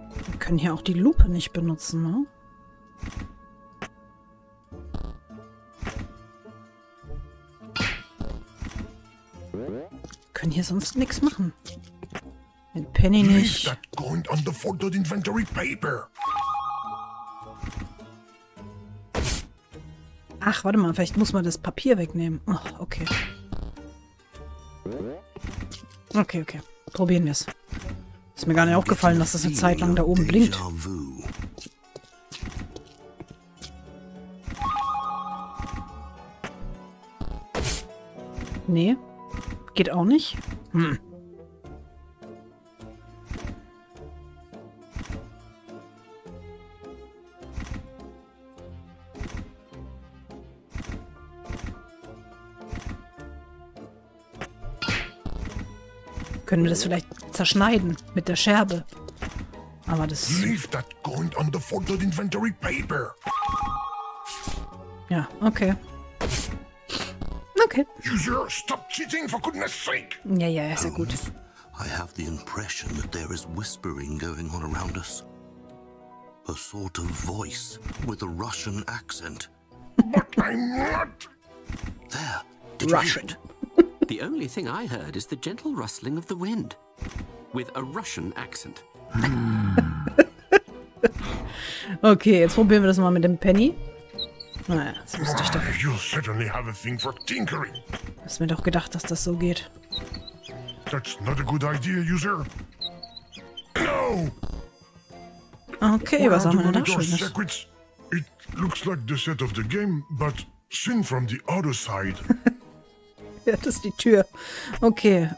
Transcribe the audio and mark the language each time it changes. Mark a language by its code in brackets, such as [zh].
[de] Wir können hier auch die Lupe nicht benutzen, ne? Können hier sonst nichts machen. Den Penny nicht. [en] Leave that coin on the folded inventory paper. [de] Ach, warte mal, vielleicht muss man das Papier wegnehmen. Ach, okay. Okay, okay. Probieren wir es. Ist mir gar nicht aufgefallen, dass das eine Zeit lang da oben blinkt. Nee. Geht auch nicht. Können wir das vielleicht zerschneiden mit der Scherbe? Aber das... [en] Leave that coin on the folded inventory paper. [de] Ja, okay. Okay. [en] User, stop cheating, for goodness sake! [de] Ja, ja, ja, sehr gut. [en] I have the impression that there is whispering going on around us. A sort of voice with a Russian accent. But I'm not! There, did Russian. You hear it? The only thing I heard is the gentle rustling of the wind. With a Russian accent. [de] Okay, jetzt probieren wir das mal mit dem Penny. Naja, das wusste ich doch. [en] You certainly have a thing for tinkering. [de] Hast du mir doch gedacht, dass das so geht. [en] That's not a good idea, user. No! [de] Okay, was haben wir denn da schon? Secrets? [en] It looks like the set of the game, but seen from the other side. [de] Ja, das ist die Tür. Okay,